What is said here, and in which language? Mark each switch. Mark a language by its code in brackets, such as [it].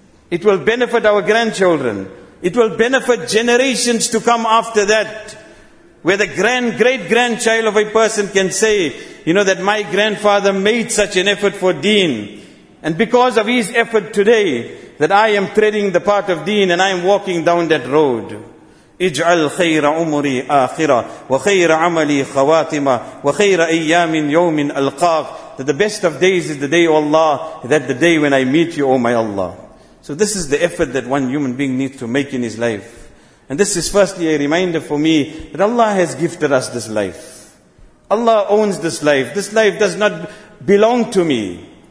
[en] It will benefit our grandchildren. It will benefit generations to come after that. Where the great-grandchild of a person can say, you know, that my grandfather made such an effort for deen. And because of his effort today, that I am treading the path of deen and I am walking down that road. [ar] اجعل خير عمري آخرة وخير عملي خواتمة وخير أيام يوم ألقاك. [en] That the best of days is the day, O Allah, that the day when I meet you, O my Allah. So this is the effort that one human being needs to make in his life. And this is firstly a reminder for me that Allah has gifted us this life. Allah owns this life. This life does not belong to me.